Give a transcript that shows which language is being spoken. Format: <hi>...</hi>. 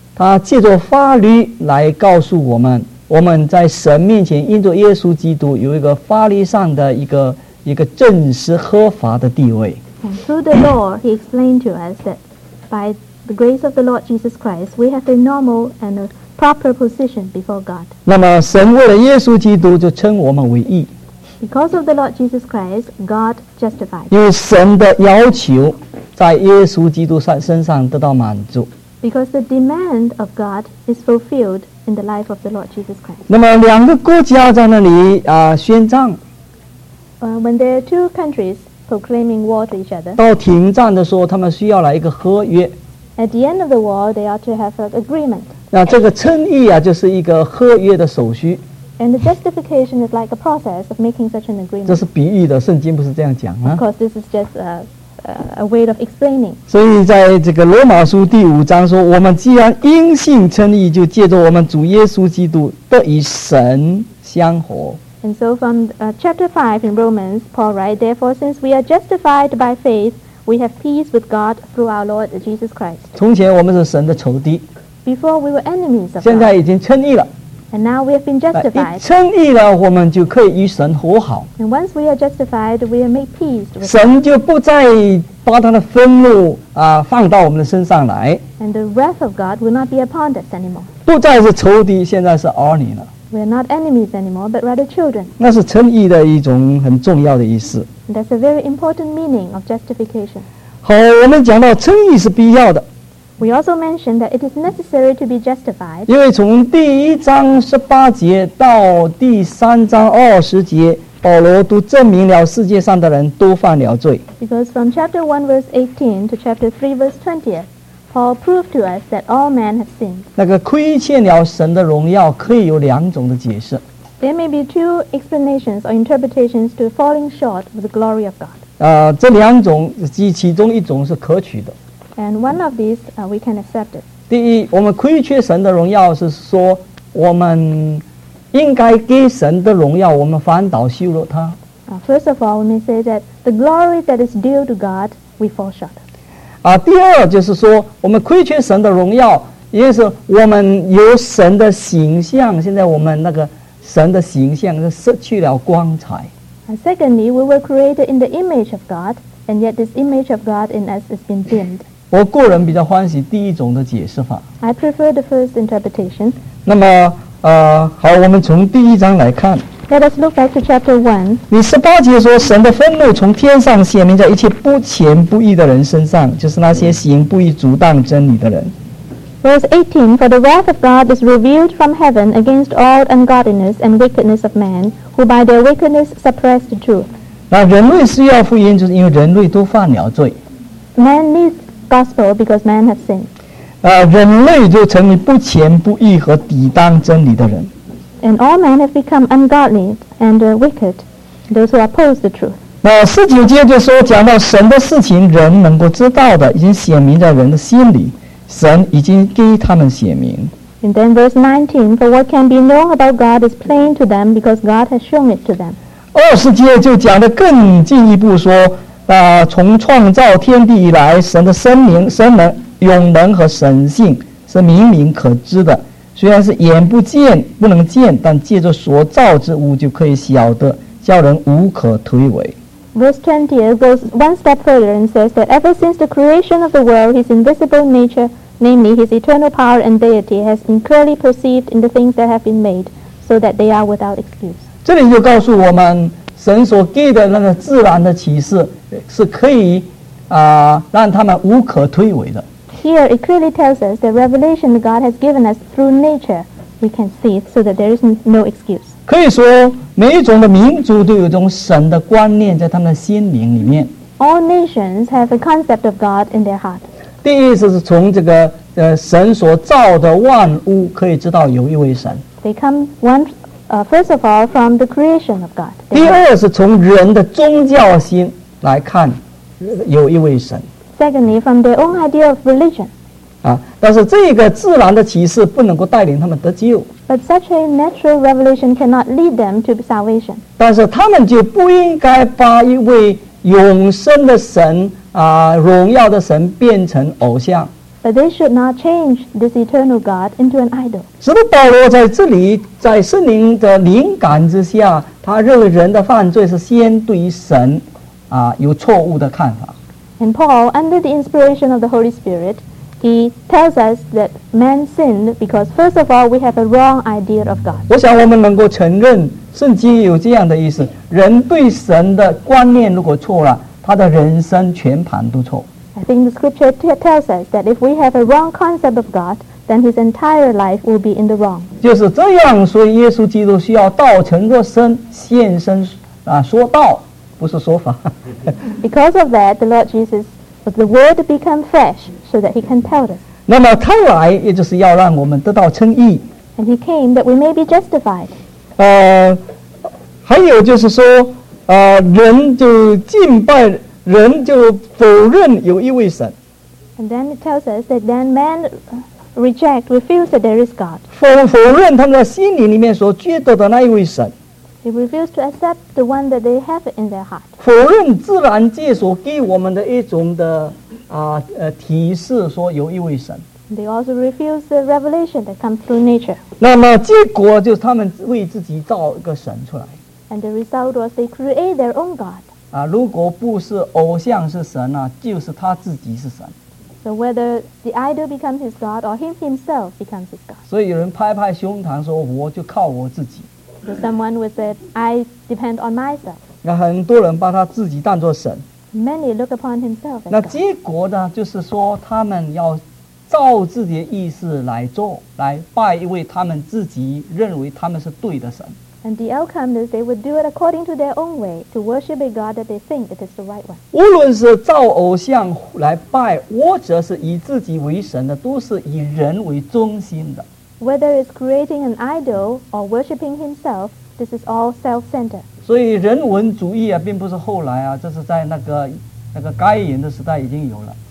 <zh>他借着法律来告诉我们，我们在神面前因着耶稣基督有一个法律上的一个正式合法的地位。</zh> <en>And through the law, he explained to us that by the grace of the Lord Jesus Christ, we have a normal and a proper position before God.</en> <zh>那么神为了耶稣基督就称我们为义。</zh> <en>Because of the Lord Jesus Christ, God justified.</en> <zh>因为神的要求在耶稣基督身上得到满足。</zh> <en>Because the demand of God is fulfilled in the life of the Lord Jesus Christ.</en> <zh>那么两个国家在那里宣战。</zh> <en>When there are two countries proclaiming war to each other.</en> <zh>到停战的时候，他们需要来一个合约。</zh> <en>At the end of the war, they ought to have an agreement.</en> <zh>那这个称义啊，就是一个合约的手续。</zh> <en>And the justification is like a process of making such an agreement.</en> <zh>这是比喻的，圣经不是这样讲吗？</zh> <en>Of course, this is just a way of explaining.</en> <zh>所以在这个罗马书第五章说，我们既然因信称义，就借着我们主耶稣基督得与神相合。</zh> <en>And so from chapter 5 in Romans, Paul writes, therefore, since we are justified by faith, we have peace with God through our Lord Jesus Christ.</en> <zh>从前我们是神的仇敌。</zh> <en>Before we were enemies of God.</en> <zh>现在已经称义了。</zh> <en>And now we have been justified.</en> <zh>称义了，我们就可以与神和好。</zh> <en>And once we are justified, we are made peace with God.</en> <zh>神就不再把他的愤怒啊放到我们的身上来。</zh> <en>And the wrath of God will not be upon us anymore.</en> <zh>不再是仇敌，现在是儿女了。</zh> <en>We are not enemies anymore, but rather children.</en> <zh>那是称义的一种很重要的意思。</zh> <en>That's a very important meaning of justification.</en> <zh>好，我们讲到称义是必要的。</zh> <en>We also mentioned that it is necessary to be justified.</en> <zh>因为从第一章十八节到第三章二十节，保罗都证明了世界上的人都犯了罪。</zh> <en>Because from chapter 1 verse 18 to chapter 3 verse 20, Paul proved to us that all men have sinned.</en> <zh>那个亏欠了神的荣耀可以有两种的解释。</zh> <en>There may be two explanations or interpretations to falling short of the glory of God.</en> <zh>这两种其中一种是可取的。</zh> <en>And one of these, we can accept it.</en> <zh>第一，我们亏缺神的荣耀是说我们应该给神的荣耀，我们反倒羞辱他。</zh> <en>First of all, we may say that the glory that is due to God, we fall short.</en> <zh>第二就是说我们亏缺神的荣耀，也就是我们有神的形象，现在我们那个神的形象是失去了光彩。</zh> <en>Secondly, we were created in the image of God, and yet this image of God in us has been dimmed.</en> <zh>我个人比较欢喜第一种的解释法。</zh> <en>I prefer the first interpretation.</en> <zh>那么好，我们从第一章来看。</zh> <en>Let us look back to chapter 1.</en> <zh>你十八节说，神的愤怒从天上显明在一切不虔不义的人身上，就是那些行不义阻挡真理的人。</zh> <en>Verse 18, For the wrath of God is revealed from heaven against all ungodliness and wickedness of men, who by their wickedness suppress the truth.</en> <zh>那人类需要福音，就是因为人类都犯了罪。</zh> <en>Man needs gospel because man has sinned.</en> <zh>人类就成为不虔不义和抵挡真理的人。</zh> <en>And all men have become ungodly and wicked, those who oppose the truth.</en> <zh>那十九节就说，讲到神的事情，人能够知道的，已经显明在人的心里。神已经给他们显明。</zh> <en>And then verse 19, For what can be known about God is plain to them because God has shown it to them.</en> <zh>二十节就讲得更进一步说，从创造天地以来，神的生命、神能、永能和神性是明明可知的。虽然是眼不见、不能见，但借着所造之物就可以晓得，叫人无可推诿。</zh> <en>Verse 20 goes one step further and says that ever since the creation of the world, his invisible nature, namely his eternal power and deity, has been clearly perceived in the things that have been made, so that they are without excuse.</en> <zh>这里就告诉我们，神所给的那个自然的启示是可以让他们无可推诿的。</zh> <en>Here it clearly tells us the revelation that God has given us through nature, we can see it so that there is no excuse.</en> <zh>可以说每一种的民族都有一种神的观念在他们的心灵里面。</zh> <en>All nations have a concept of God in their heart.</en> <zh>第一是从这个神所造的万物可以知道有一位神。</zh> <en>They come first of all from the creation of God.</en> <zh>第二是从人的宗教心来看有一位神。</zh> <en>Secondly, from their own idea of religion.</en> <zh>但是这个自然的启示不能够带领他们得救。</zh> <en>But such a natural revelation cannot lead them to salvation.</en> <zh>但是他们就不应该把一位永生的神荣耀的神变成偶像。</zh> <en>But they should not change this eternal God into an idol.</en> <zh>使得保罗在这里在圣灵的灵感之下，他认为人的犯罪是先对神有错误的看法。</zh> <en>And Paul, under the inspiration of the Holy Spirit, he tells us that man sinned because, first of all, we have a wrong idea of God.</en> <zh>我想我们能够承认圣经有这样的意思，人对神的观念如果错了，他的人生全盘都错。</zh> <en>I think the scripture tells us that if we have a wrong concept of God, then his entire life will be in the wrong.</en> <zh>就是这样，所以耶稣基督需要道成肉身，现身说道。不是说法。</zh> <en>Because of that, the Lord Jesus was the Word to become flesh, so that He can tell us.</en> <zh>那么他来，也就是要让我们得到称义。</zh> <en>And He came that we may be justified.</en> <zh>还有就是说，人就敬拜人就否认有一位神。</zh> <en>And then it tells us that then man reject, refuse that there is God.</en> <zh>否认他们在心里面所觉得的那一位神。</zh> <en>They refuse to accept the one that they have in their heart.</en> <zh>否认自然界所给我们的一种的提示，说有一位神。</zh> <en>They also refuse the revelation that comes through nature.</en> <zh>那么结果就是他们为自己造一个神出来。</zh> <en>And the result was they create their own God.</en> <zh>啊，如果不是偶像是神啊，就是他自己是神。</zh> <en>So whether the idol becomes his God or him himself becomes his God.</en> <zh>所以有人拍拍胸膛说，我就靠我自己。</zh> <en>So someone would say, I depend on myself.</en> <zh>那很多人把他自己当作神。</zh> <en>Many look upon himself as God.</en> <zh>那结果呢，就是说他们要照自己的意思来做，来拜一位他们自己认为他们是对的神。</zh> <en>And the outcome is they would do it according to their own way to worship a God that they think it is the right one.</en> <zh>无论是造偶像来拜，或者是以自己为神的，都是以人为中心的。</zh> <en>Whether it's creating an idol or worshiping himself, this is all self-centered.</en> <zh>所以人文主义啊，并不是后来啊，这是在那个该隐的时代已经有了。</zh>